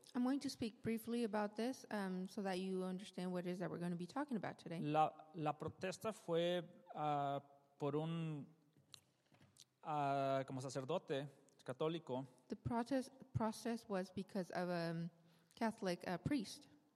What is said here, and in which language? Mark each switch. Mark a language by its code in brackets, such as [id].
[en] I'm going to speak briefly about this so that you understand what it is that we're going to be talking about today. [es] La protesta fue por un como sacerdote católico. [en] The process was because of a Catholic priest.